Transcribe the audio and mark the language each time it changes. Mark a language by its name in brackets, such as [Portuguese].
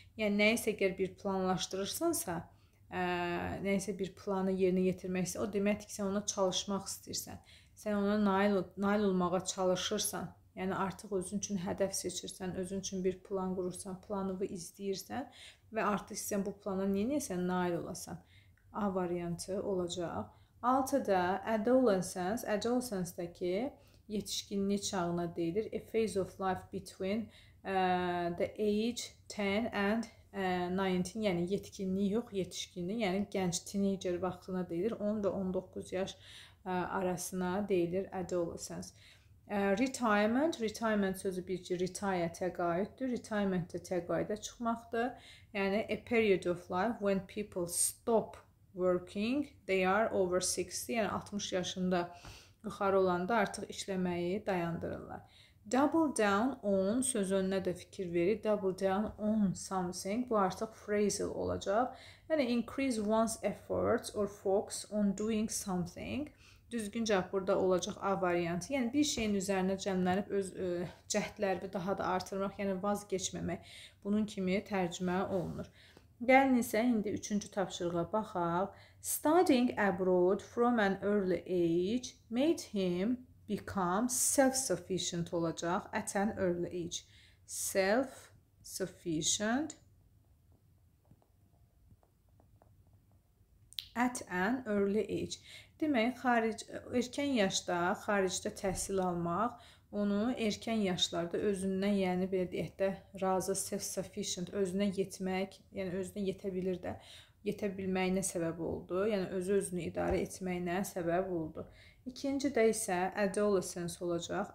[Azerbaijani] Yəni, nəyisə əgər bir planlaşdırırsansa, nəyisə bir planı yerinə yetirmək istəyir. O deməkdir ki, sən ona çalışmaq istəyirsən. Sən ona nail olmağa çalışırsan. Yəni, artıq özün üçün hədəf seçirsən, özün üçün bir plan qurursan, planını izləyirsən və artıq sən bu plana nəyəsən nail olasan. A variantı olacaq. Altıda adolescence, adolescence-dəki yetişkinlik çağına deyilir. [English] A phase of life between the age 10 and 19, [Azerbaijani] yəni yetkinliyi yox, yetişkinliyi, yəni gənc teenager vaxtına deyilir, 10 və 19 yaş arasına deyilir adolescence. Retirement, retirement sözü bir ki, retire təqayüddür, retirement də təqayüdə çıxmaqdır. [English] Yəni, a period of life when people stop working, they are over 60, [Azerbaijani] yəni 60 yaşında yuxarı olanda artıq işləməyi dayandırırlar. Double down on söz önünə də fikir verir. [English] Double down on something. [Azerbaijani] Bu artıq phrasal olacaq. [English] Yəni, increase one's efforts or focus on doing something. [Azerbaijani] Düzgün cavab burada olacaq A variantı. Yəni, bir şeyin üzərinə cəmlənib öz cəhdlərini daha da artırmaq, yəni vazgeçməmək bunun kimi tərcümə olunur. Gəlin isə indi üçüncü tapşırığa baxaq. [English] Studying abroad from an early age made him become self-sufficient olacaq at an early age. Self-sufficient at an early age. [Azerbaijani] Demək, erkən yaşda xaricdə təhsil almaq onu erkən yaşlarda özündən, yəni belə deyək də, razı, self-sufficient, özünə yetmək, yəni özünə yetə bilir də, yetə bilməyinə səbəb oldu. Yəni, özü-özünü idarə etməyinə səbəb oldu. İkinci də isə adolescence olacaq.